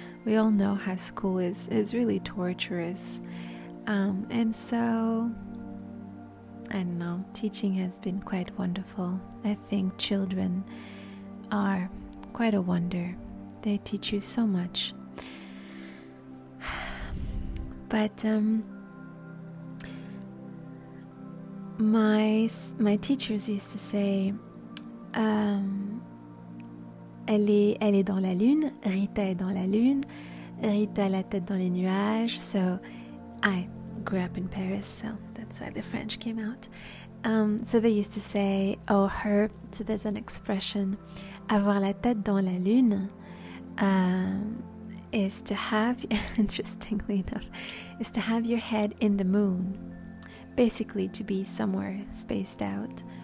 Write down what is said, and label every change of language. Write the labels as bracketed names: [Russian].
[English] We all know how school is really torturous. And so, I don't know, teaching has been quite wonderful. I think children are quite a wonder. They teach you so much. But my teachers used to say, [French] elle est dans la lune, Rita est dans la lune, Rita la tête dans les nuages. [English] So I grew up in Paris, so that's why the French came out. So they used to say, oh, her, so there's an expression, [French] avoir la tête dans la lune, [English] is to have, interestingly enough, is to have your head in the moon, basically to be somewhere spaced out.